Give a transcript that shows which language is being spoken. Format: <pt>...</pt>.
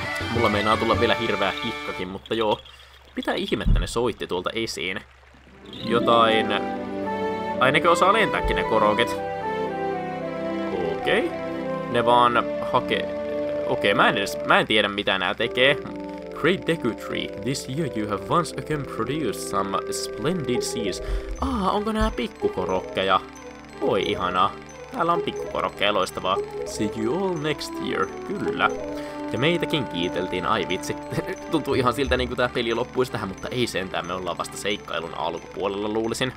<fi>Mulla meinaa tulla vielä hirveä hikkakin, mutta joo. Mitä ihmettä ne soitti tuolta esiin? Jotain... Ainakin osaa lentääkin ne koroket. Okei. Ne vaan hakee... Okei, mä en tiedä mitä nää tekee.</fi> <en>Great Deku Tree, this year you have once again produced some splendid seeds.</en> <fi>Ah, onko nää pikkukorokkeja? Oi ihanaa. Täällä on pikkukorokkeja, loistavaa.</fi> <en>See you all next year,</en> <fi>kyllä. Ja meitäkin kiiteltiin, ai vitsi. Tuntuu ihan siltä niinku tää peli loppuisi tähän, mutta ei sentään, me ollaan vasta seikkailun alkupuolella luulisin.</fi>